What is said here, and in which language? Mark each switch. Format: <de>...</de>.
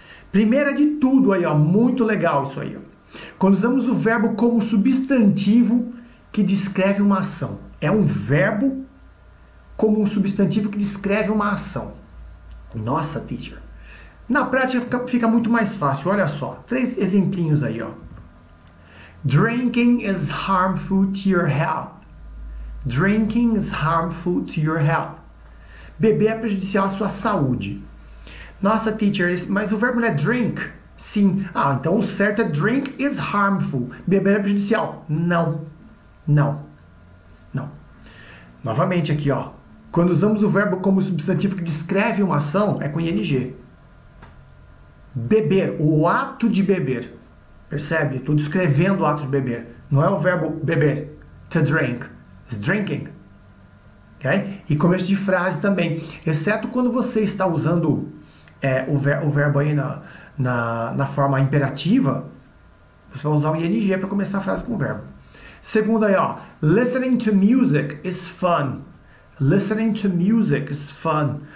<pt>Primeira de tudo aí, ó, muito legal isso aí, ó. Quando usamos o verbo como substantivo que descreve uma ação. É um verbo como um substantivo que descreve uma ação. Nossa, teacher. Na prática fica muito mais fácil. Olha só, três exemplinhos aí, ó.</pt> <en>Drinking is harmful to your health. Drinking is harmful to your health.</en> <pt>Beber é prejudicial à sua saúde. Nossa, teacher, mas o verbo não é drink? Sim. Ah, então o certo é</pt> <en>drink is harmful.</en> <pt>Beber é prejudicial? Não. Não. Novamente aqui, ó. Quando usamos o verbo como substantivo que descreve uma ação, é com ING. Beber, o ato de beber. Percebe? Estou descrevendo o ato de beber. Não é o verbo beber.</pt> <en>To drink. It's drinking. Okay?</en> <pt>E começo de frase também. Exceto quando você está usando o verbo aí na forma imperativa, você vai usar o ing para começar a frase com o verbo. Segundo aí, ó.</pt> <en>Listening to music is fun. Listening to music is fun.</en>